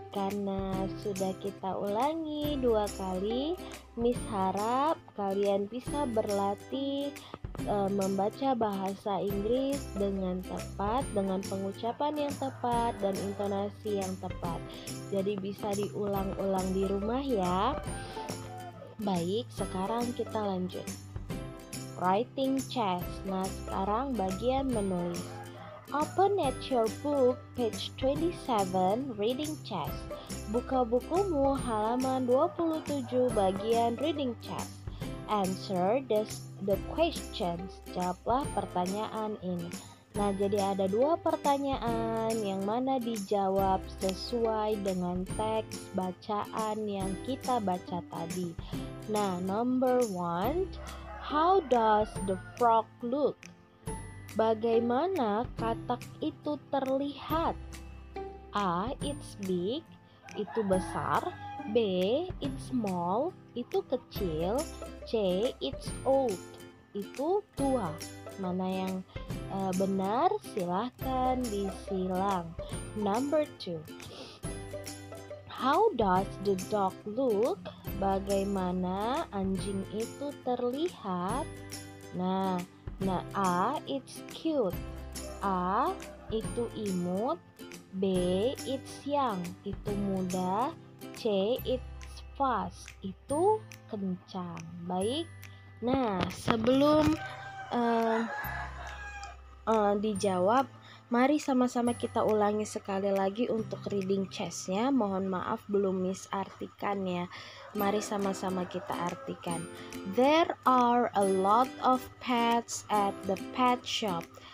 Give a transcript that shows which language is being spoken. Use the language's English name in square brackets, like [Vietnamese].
[Indonesian] Karena sudah kita ulangi 2 kali, Miss harap kalian bisa berlatih membaca bahasa Inggris dengan tepat, dengan pengucapan yang tepat dan intonasi yang tepat. Jadi bisa diulang-ulang di rumah ya. Baik, sekarang kita lanjut. [English] Writing chess. [Indonesian] Nah, sekarang bagian menulis. [English] Open at your book, page 27, reading chess. [Indonesian] Buka bukumu, halaman 27, bagian reading chess. [English] Answer the questions. [Indonesian] Jawablah pertanyaan ini. Nah, jadi ada 2 pertanyaan yang mana dijawab sesuai dengan teks bacaan yang kita baca tadi. [English] Nah, number 1, how does the frog look? [Indonesian] Bagaimana katak itu terlihat? [English] A, it's big, [Indonesian] itu besar. [English] B, it's small, [Indonesian] itu kecil. [English] C, it's old, [Indonesian] itu tua. Mana yang benar? Silahkan disilang. [English] Number 2, how does the dog look? [Indonesian] Bagaimana anjing itu terlihat? Nah, A, [English] it's cute. [Indonesian] A, itu imut. [English] B, it's young, [Indonesian] itu muda. [English] C, it's fast, [Indonesian] itu kencang. Baik. Nah, sebelum dijawab, mari sama-sama kita ulangi sekali lagi untuk reading chess-nya. Mohon maaf belum misartikan ya. Mari sama-sama kita artikan. [English] There are a lot of pets at the pet shop.